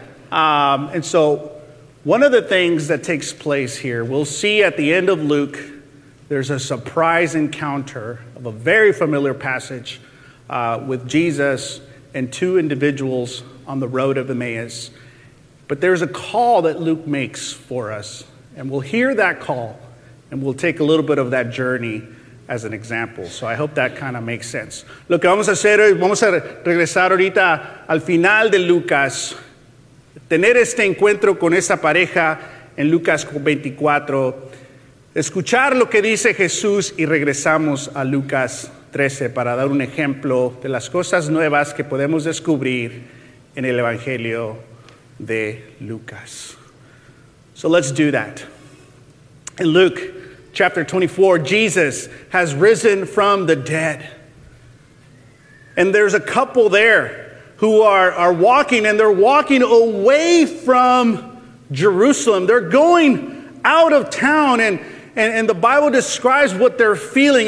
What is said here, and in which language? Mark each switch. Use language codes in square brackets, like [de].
[en] And so one of the things that takes place here, we'll see at the end of Luke, there's a surprise encounter of a very familiar passage with Jesus and two individuals on the road of Emmaus. But there's a call that Luke makes for us. And we'll hear that call, and we'll take a little bit of that journey as an example. So I hope that kind of makes sense. [es] Lo que vamos a hacer es, vamos a regresar ahorita al final de Lucas, tener este encuentro con esta pareja en Lucas 24, escuchar lo que dice Jesús y regresamos a Lucas 13 para dar un ejemplo de las cosas nuevas que podemos descubrir en el Evangelio de Lucas. [en] So let's do that. In Luke chapter 24, Jesus has risen from the dead. And there's a couple there who are walking, and they're walking away from Jerusalem. They're going out of town, and the Bible describes what they're feeling.